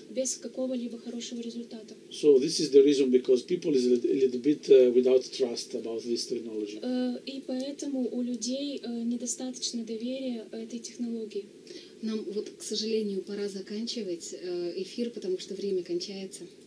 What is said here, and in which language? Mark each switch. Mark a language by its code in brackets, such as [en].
[ru] Без какого-либо хорошего результата. [en] So this is the reason because people is a little bit without trust about this technology. [ru] И поэтому у людей недостаточно доверия этой технологии. Нам вот, к сожалению, пора заканчивать эфир, потому что время кончается.